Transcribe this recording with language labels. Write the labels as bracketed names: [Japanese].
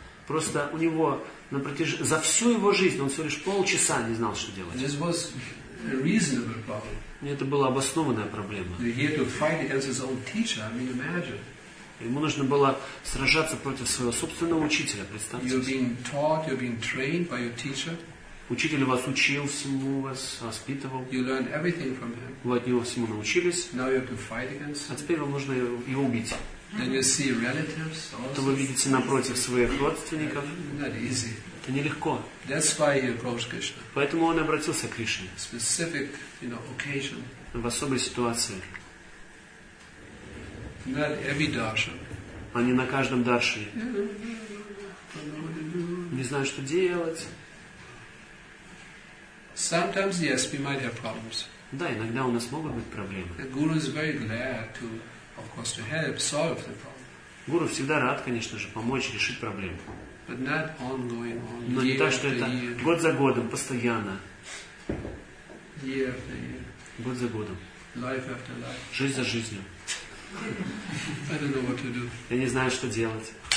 [Russian] Просто у него на протяжении за всю его жизнь он всего лишь полчаса не знал, что делать. [English] This was a reasonable problem. [Russian] Это была обоснованная проблема. [English] He had to fight against his own teacher. I mean, imagine. [Russian] Ему нужно было сражаться против своего собственного учителя, представьте. [English] You're being taught, you're being trained by your teacher. [Russian] Учитель вас учил всему, вас воспитывал. [English] You learn everything from him. [Russian] Вы от него всему научились. [English] Now you have to fight against him. [Russian] А теперь вам нужно его убить. [English] Then you see relatives also. [Russian] То вы видите напротив своих родственников. [English] Not easy. [Russian] Это нелегко. [English] That's why he approached Krishna. [Russian] Поэтому он обратился к Кришне. [English] Specific, you know, occasion. [Russian] В особой ситуации. [English] Not every darshan. [Russian] Они на каждом даршане. Не знаю, что делать. [English] Sometimes yes, we might have problems. [Russian] Да, иногда у нас могут быть проблемы. [English] The guru is very glad to, of course, to help solve the problem. [Russian] Гуру всегда рад, конечно же, помочь решить проблему. [English] But not ongoing, on. [Russian] Но не так, что это год за годом, постоянно. [English] Year after year. [Russian] Год за годом. [English] Life after life. [Russian] Жизнь за жизнью. [English] I don't know what to do. [Russian] Я не знаю, что делать.